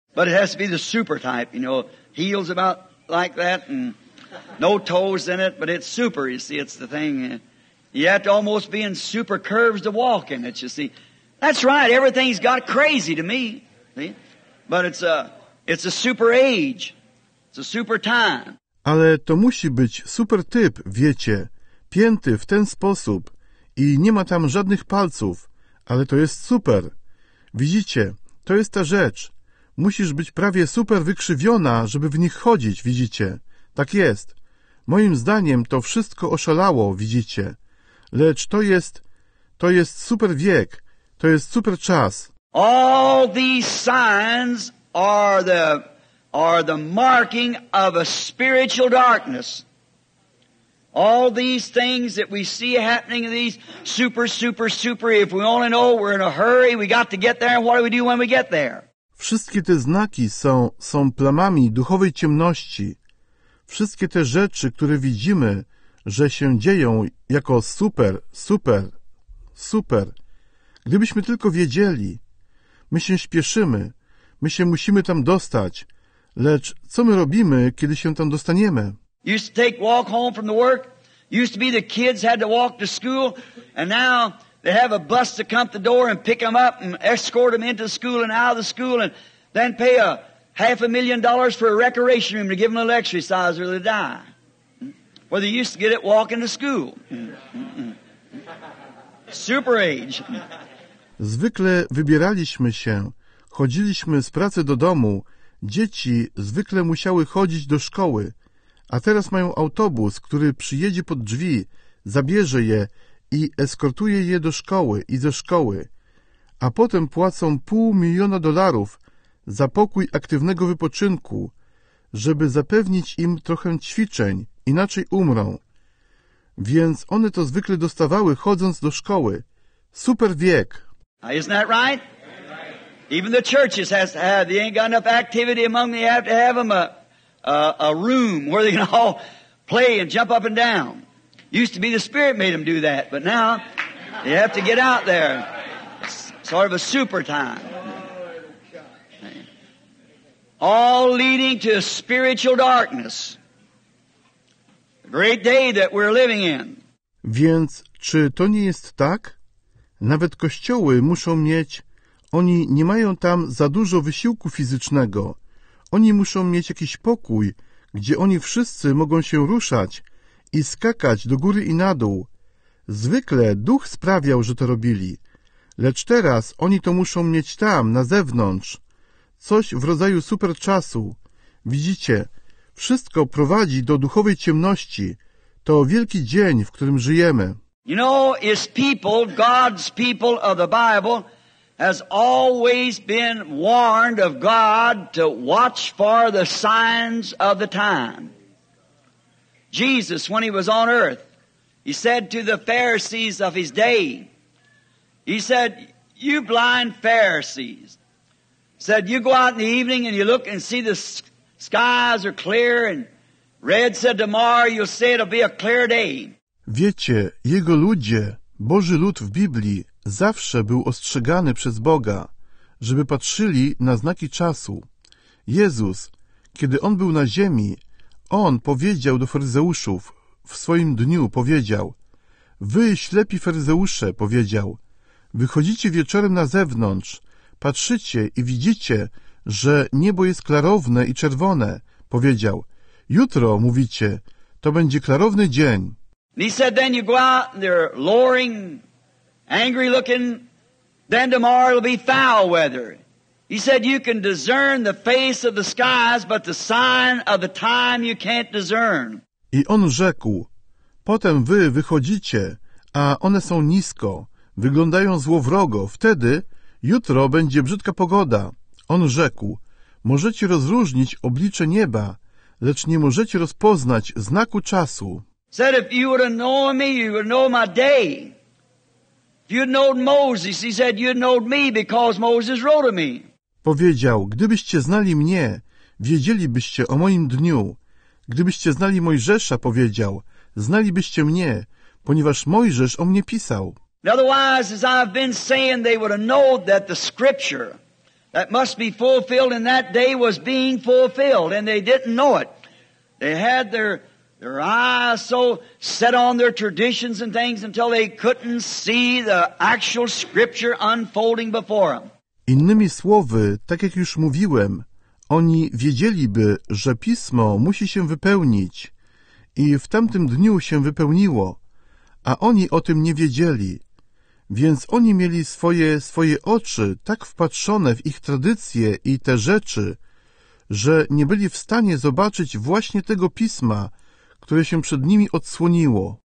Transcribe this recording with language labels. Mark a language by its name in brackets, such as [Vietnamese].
[English] But it has to be the super type, you know, heels about like that and no toes in it, but it's super, you see, it's the thing. You have to almost be in super curves to walk in it, you see. That's right, everything's got crazy to me, see? But it's a super age, it's a super time. [Polish] Ale to musi być super typ, wiecie, pięty w ten sposób i nie ma tam żadnych palców, ale to jest super. Widzicie, to jest ta rzecz. Musisz być prawie super wykrzywiona, żeby w nich chodzić, widzicie? Tak jest. Moim zdaniem to wszystko oszalało, widzicie? Lecz to jest super wiek, to jest super czas. [English] All these signs are the marking of a spiritual darkness. All these things that we see happening, these super, super, super, if we only know we're in a hurry, we got to get there, and what do we do when we get there? [Polish] Wszystkie te znaki są plamami duchowej ciemności. Wszystkie te rzeczy, które widzimy, że się dzieją jako super, super, super. Gdybyśmy tylko wiedzieli. My się śpieszymy. My się musimy tam dostać. Lecz co my robimy, kiedy się tam dostaniemy? [English] Used to take walk home from the work. Used to be the kids had to walk to school. And now they have a bus to come to the door and pick them up and escort them into school and out of the school and then pay $500,000 for a recreation room to give them an exercise or they die. Well, they used to get it walking to school. Super age. [Polish] Zwykle wybieraliśmy się, chodziliśmy z pracy do domu. Dzieci zwykle musiały chodzić do szkoły, a teraz mają autobus, który przyjedzie pod drzwi, zabierze je i eskortuje je do szkoły i ze szkoły, a potem płacą $500,000 za pokój aktywnego wypoczynku, żeby zapewnić im trochę ćwiczeń, inaczej umrą. Więc one to zwykle dostawały, chodząc do szkoły. Super wiek! [English] Isn't that right? Even the churches has to have, they ain't got enough activity among them, they have to have them a room where they can all play and jump up and down. Used to be the Spirit made them do that, but now they have to get out there. It's sort of a super time. All leading to spiritual darkness. The great day that we're living in. [Polish] Więc czy to nie jest tak? Nawet kościoły muszą mieć, oni nie mają tam za dużo wysiłku fizycznego. Oni muszą mieć jakiś pokój, gdzie oni wszyscy mogą się ruszać i skakać do góry i na dół. Zwykle duch sprawiał, że to robili. Lecz teraz oni to muszą mieć tam, na zewnątrz. Coś w rodzaju super czasu. Widzicie, wszystko prowadzi do duchowej ciemności. To wielki dzień, w którym żyjemy. [English] You know, his people, God's people of the Bible, has always been warned of God to watch for the signs of the time. Jesus, when he was on earth, he said to the Pharisees of his day, He said, "You blind Pharisees," said, "you go out in the evening and you look and see the skies are clear and red," said, "tomorrow you'll say it'll be a clear day." [Polish] Wiecie, jego ludzie, Boży lud w Biblii, zawsze był ostrzegany przez Boga, żeby patrzyli na znaki czasu. Jezus, kiedy On był na ziemi, On powiedział do faryzeuszów, w swoim dniu powiedział, "Wy, ślepi faryzeusze," powiedział, "wychodzicie wieczorem na zewnątrz, patrzycie i widzicie, że niebo jest klarowne i czerwone," powiedział, "jutro, mówicie, to będzie klarowny dzień." [English] He said, "Then you go out and they're lowering, angry looking, then tomorrow it'll be foul weather." He said, "You can discern the face of the skies, but the sign of the time you can't discern." [Polish] I on rzekł, "Potem wy wychodzicie, a one są nisko, wyglądają złowrogo, wtedy jutro będzie brzydka pogoda." On rzekł, "Możecie rozróżnić oblicze nieba, lecz nie możecie rozpoznać znaku czasu." [English] Said, "If you would have known me, you would know my day. If you'd known Moses," he said, "you'd know me because Moses wrote of me." [Polish] Powiedział, "Gdybyście znali mnie, wiedzielibyście o moim dniu. Gdybyście znali Mojżesza," powiedział, "znalibyście mnie, ponieważ Mojżesz o mnie pisał." [English] In other words, as I've been saying, they would have known that the scripture that must be fulfilled in that day was being fulfilled, and they didn't know it. They had their eyes so set on their traditions and things until they couldn't see the actual scripture unfolding before them. [Polish] Innymi słowy, tak jak już mówiłem, oni wiedzieliby, że pismo musi się wypełnić i w tamtym dniu się wypełniło, a oni o tym nie wiedzieli. Więc oni mieli swoje oczy tak wpatrzone w ich tradycje i te rzeczy, że nie byli w stanie zobaczyć właśnie tego pisma, które się przed nimi odsłoniło.